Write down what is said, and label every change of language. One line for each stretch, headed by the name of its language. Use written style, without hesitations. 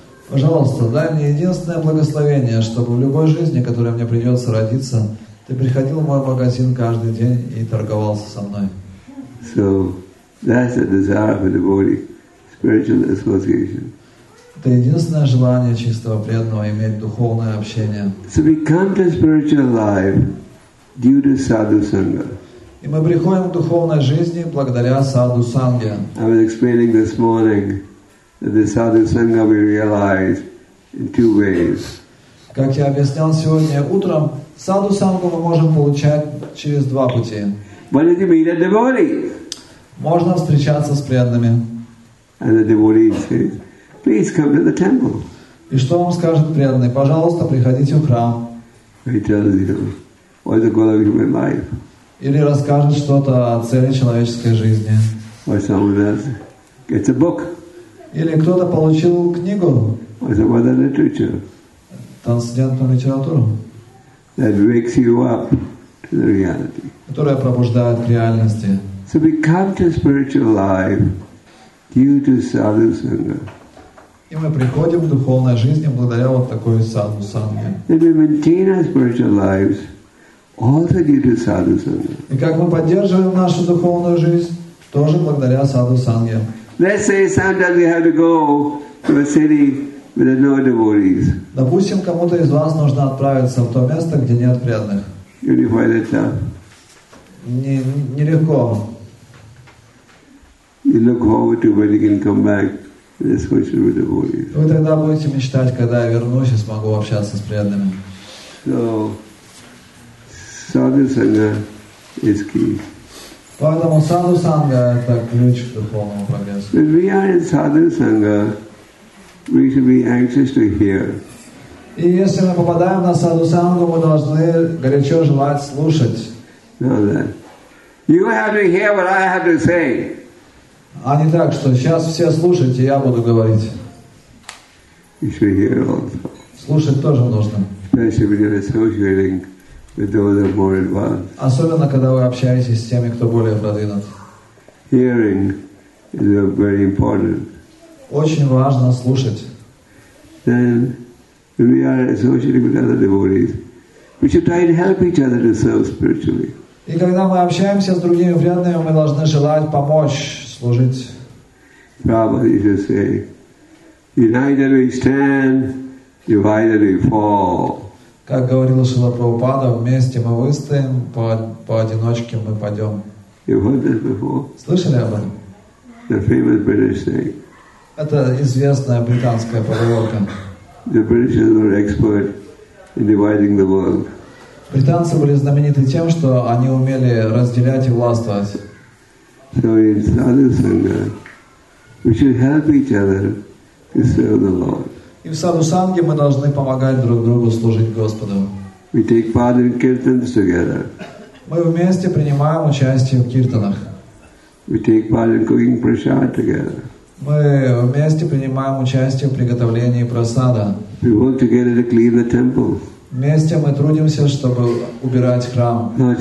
Russian: Пожалуйста, дай мне единственное благословение, чтобы в любой жизни, которая мне придется родиться, ты приходил в мой магазин каждый день и торговался со мной.
English: So that's the desire for devotee, spiritual association.
Russian: Это единственное желание чистого преданного иметь духовное общение.
English: So we come to spiritual life due to sadhu sangha.
Russian: И мы приходим к духовной жизни благодаря саду санге.
English: I was explaining this morning that the sadhu sangha we realize in two ways.
Russian: Как я объяснял сегодня утром, саду сангу мы можем получать через два пути.
English: When you meet a devotee.
Russian: Можно встречаться с преданными.
English: And the devotee says, please come to the temple.
Russian: И что вам скажет преданный? Пожалуйста, приходите в храм.
English: He tells you what the goal of human life.
Russian: Или расскажет что-то о цели человеческой жизни.
English: Or someone else gets a book.
Russian: Или кто-то получил книгу.
English: Or some other literature.
Russian: Трансцендентную литературу.
English: That wakes you up to the reality.
Russian: Которая пробуждает к реальности.
English: So we come to spiritual life due to sadhu sangha.
Russian: И мы приходим к духовной жизни благодаря вот такой саду санге.
English: We maintain our spiritual lives also due to sadhu sangha.
Russian: И как мы поддерживаем нашу духовную жизнь, тоже благодаря саду санге.
English: Let's say sometimes we have to go to a city where there are no devotees.
Russian: Допустим, кому-то из вас нужно отправиться в то место, где нет преданных.
English: You will find it tough.
Russian: Нелегко.
English: You look forward to when you can come back.
Russian: Вы тогда будете мечтать, когда я вернусь и смогу общаться с преданными.
English: So, sadhu sangha is key.
Russian: Поэтому саду санга – это ключ к духовному прогрессу.
English: When we are in sadhu sangha, we should be anxious to hear.
Russian: И если мы попадаем на саду сангу, мы должны горячо желать слушать.
English: Now then, you have to hear what I have to say.
Russian: А не так, что сейчас все слушайте, я буду говорить.
English: You should hear also.
Russian: Слушать тоже нужно.
English: Especially when you're associating with those who are more advanced.
Russian: Особенно, когда вы общаетесь с теми, кто более продвинут.
English: Hearing is very important.
Russian: Очень важно слушать.
English: Then when we are associating with other devotees, we should try and help each other to serve spiritually.
Russian: И когда мы общаемся с другими преданными, мы должны желать помочь служить.
English: Prabhupada used to say, "Either we stand, divided we fall."
Russian: Как говорил Шрила Прабхупада, вместе мы выстоим, поодиночке мы падем.
English: You heard that before?
Russian: Слышали об этом?
English: The famous British saying.
Russian: Это известная британская поговорка.
English: The British were expert in dividing the world.
Russian: Британцы были знамениты тем, что они умели разделять и властвовать.
English: So in sadhu sangha, we should help each other to serve the Lord.
Russian: И в садху-санге мы должны помогать друг другу служить Господу.
English: We take part in kirtans together.
Russian: Мы вместе принимаем участие в киртанах.
English: We take part in cooking prasad together.
Russian: Мы вместе принимаем участие в приготовлении прасада.
English: We work together to clean the temple.
Russian: Вместе мы трудимся, чтобы убирать храм.